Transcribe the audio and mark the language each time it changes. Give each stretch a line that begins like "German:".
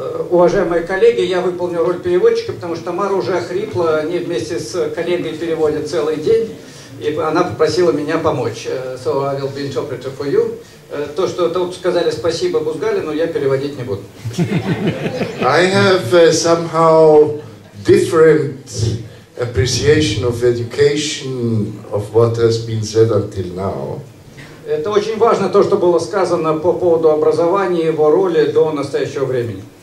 Russian: Уважаемые коллеги, я выполнил роль переводчика, потому что Мара уже охрипла, они вместе с коллегой переводят целый день, и она попросила меня помочь.
English: So I will be interpreter for you.
Russian: То, что тут сказали спасибо Бузгалину, я переводить не буду.
English: I have somehow different appreciation of education of what has been said until now.
Russian: Это очень важно, то, что было сказано по поводу образования и его роли до настоящего времени.